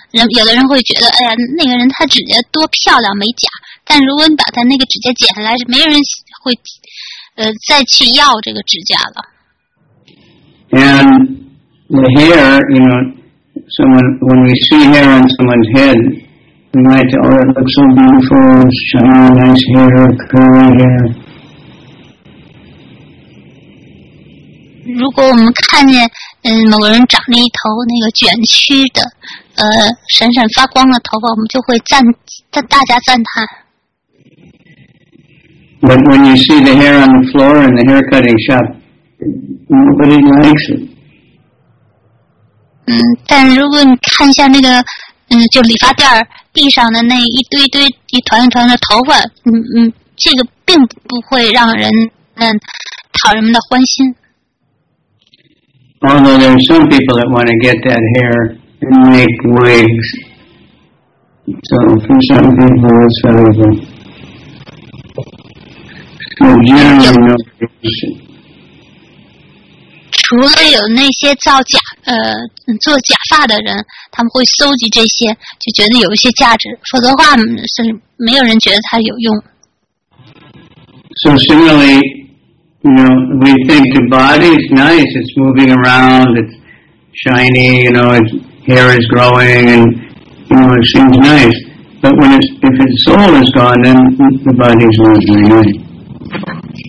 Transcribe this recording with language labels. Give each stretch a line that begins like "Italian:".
Chinese: 人有的人会觉得，哎呀，那个人他指甲多漂亮，美甲。但如果你把他那个指甲剪下来，是没人会。再去要这个指甲了。
English: And the hair, you know, when we see hair on someone's head, we might say, oh, it looks so beautiful, shiny, nice hair, curly hair.
Chinese: 如果我们看见某个人长了一头那个卷曲的闪闪发光的头发，我们就会大家赞叹。
English: But when you see the hair on the floor in the hair cutting shop, nobody likes it.
Chinese: 但如果你看一下那个，就理发店地上的那一堆堆、一团一团的头发，这个并不会让人讨人们的欢心。
English: Although there are some people that want to get that hair and make wigs, so for some people it's relevant.
Chinese: 除了有那些造假做假发的人，他们会搜集这些，就觉得有一些价值，否则的话是没有人觉得它有用。
English: So similarly, you know, we think the body is nice, it's moving around, it's shiny, you know, its hair is growing, and you know, it seems nice. But when it's, if its soul is gone, then the body is not very nice.